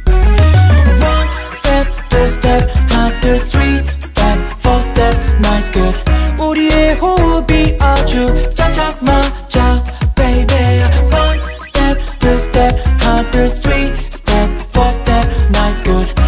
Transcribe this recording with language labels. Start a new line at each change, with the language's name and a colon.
English: One step, two step, half two, three step, four step, nice good.
Korean: 우리의 호흡이 아주 짝짝 맞아, baby.
English: One step, two step, half two, three step, four step, nice good.